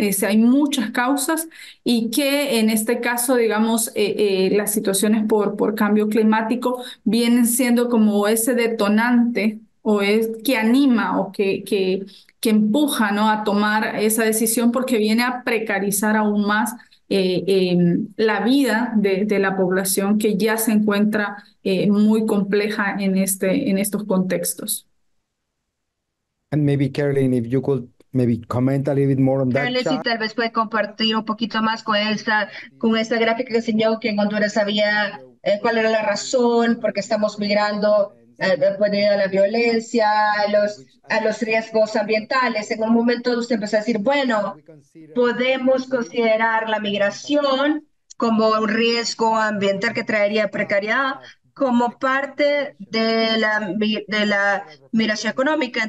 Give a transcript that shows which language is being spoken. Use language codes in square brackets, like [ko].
[es] Hay muchas causas y que en este caso, digamos, las situaciones por cambio climático vienen siendo como ese detonante o es que anima o que empuja, ¿no? A tomar esa decisión porque viene a precarizar aún más la vida de la población que ya se encuentra muy compleja en este, en estos contextos. [en] And maybe Caroline, if you could maybe comment a little bit more on that. [es] Caroline, si tal vez puede compartir un poquito más con esta gráfica que enseñó que en Honduras había cuál era la razón por qué estamos migrando debido a la violencia, a los riesgos ambientales. En un momento usted empezó a decir, bueno, podemos considerar la migración como un riesgo ambiental que traería precariedad como parte de la migración económica.